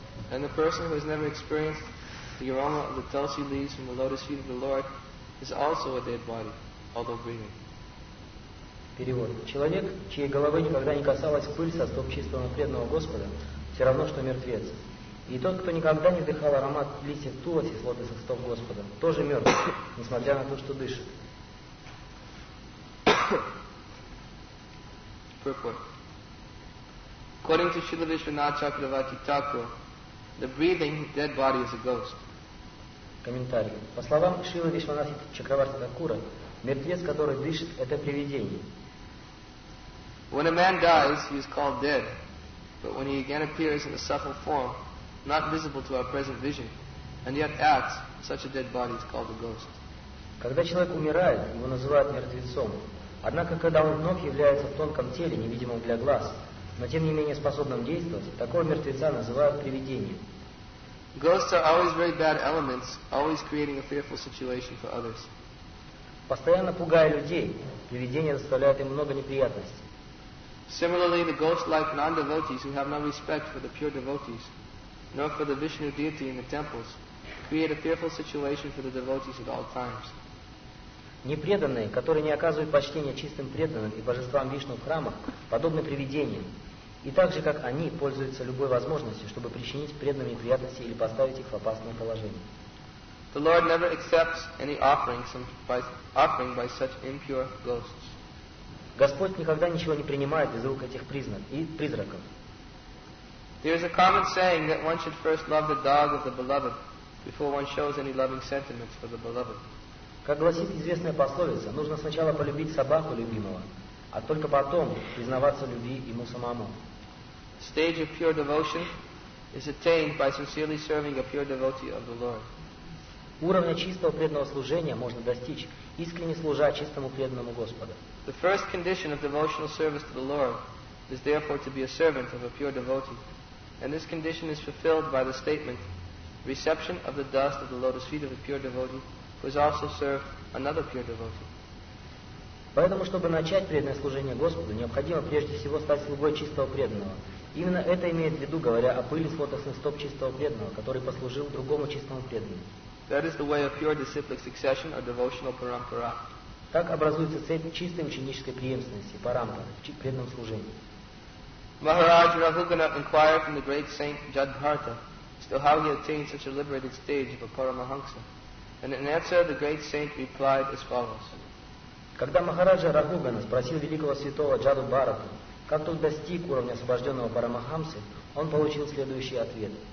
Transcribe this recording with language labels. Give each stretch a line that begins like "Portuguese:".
English: And the person who has never experienced the aroma of the tulsi leaves from the lotus feet of the Lord is also a dead body, although breathing.
Russian: Перевод. Человек, чьей головы никогда не касалась пыль со стоп чистого преданного Господа, все равно, что мертвец. И тот, кто никогда не вдыхал аромат листьев тулоси с лотоса стоп Господа, тоже мертв, несмотря на то, что дышит.
English: Purport. According to Śrīla Viśvanātha Cakravarti Thakura, the breathing dead body is a ghost.
Russian: Комментарий. По словам Śrīla Viśvanātha Cakravarti Thakura, мертвец, который дышит, это привидение.
English: When a man dies, he is called dead. But when he again appears in a subtle form, not visible to our present vision, and yet acts, such a dead body is called a ghost.
Russian: Когда человек умирает, его называют мертвецом. Однако, когда он вновь является в тонком теле, невидимом для глаз, но тем не менее способным действовать, такого мертвеца называют привидением.
English: Ghosts are always very bad elements, always creating a fearful situation for others.
Russian: Постоянно пугая людей, привидения доставляют им много неприятностей.
English: Similarly, the ghost-like non-devotees who have no respect for the pure devotees, nor for the Vishnu deity in the temples, create a fearful situation for the devotees at all times.
Russian: Непреданные, которые не оказывают почтения чистым преданным и божествам Вишну в храмах, подобны привидениям, и так же, как они, пользуются любой возможностью, чтобы причинить преданным неприятности или поставить их в опасное положение.
English: The Lord never accepts any offering by such impure ghosts.
Russian: Господь никогда ничего не принимает из рук этих призраков.
English: There is a common saying that one should first love the dog of the beloved before one shows any loving sentiments for the beloved.
Russian: Как гласит известная пословица, нужно сначала полюбить собаку любимого, а только потом признаваться в любви ему самому.
English: Stage of pure devotion is attained by sincerely serving a pure devotee of the Lord.
Russian: Уровня чистого преданного служения можно достичь, искренне служа чистому преданному Господу.
English: The first condition of devotional service to the Lord is therefore to be a servant of a pure devotee. And this condition is fulfilled by the statement, reception of the dust of the lotus feet of a pure devotee who has also served another pure devotee.
Russian: Поэтому, чтобы начать преданное служение Господу, необходимо прежде всего стать слугой чистого преданного. Именно это имеет в виду, говоря о пыли с лотосных стоп чистого преданного, который послужил другому чистому преданному.
English: That is the way of pure disciplic succession or devotional parampara.
Russian: Так образуется цепь чистой ученической преемственности, парампара, в преданном служении.
English: Maharaj Raghugana inquired from the great saint Jadbharata as to how he attained such a liberated stage of a paramahansa. And in answer, the great saint replied as follows.
Russian: Когда Махараджа Рагугана спросил великого святого Джаду Бхарату, как тот достиг уровня освобожденного Парамахамсы, он получил следующий ответ.